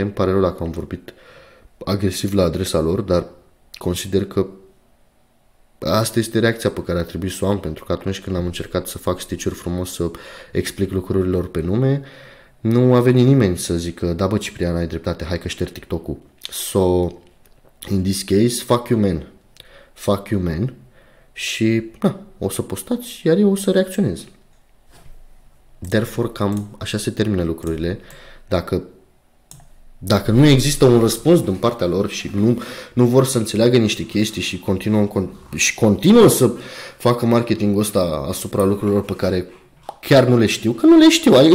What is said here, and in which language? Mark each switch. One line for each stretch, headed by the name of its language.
Romanian: Îmi pare rău dacă am vorbit agresiv la adresa lor, dar consider că asta este reacția pe care a trebuit să o am, pentru că atunci când am încercat să fac stitch-uri frumos, să explic lucrurilor pe nume, Nu a venit nimeni să zică, da bă Ciprian, ai dreptate, hai că șterg TikTok-ul.
English: So, in this case, fuck you man. Fuck you man.
Romanian: Și, na, o să postați, iar eu o să reacționez. Therefore, cam așa se termină lucrurile. Dacă nu există un răspuns din partea lor și nu vor să înțeleagă niște chestii și continuă să facă marketingul ăsta asupra lucrurilor pe care chiar nu le știu, că nu le știu.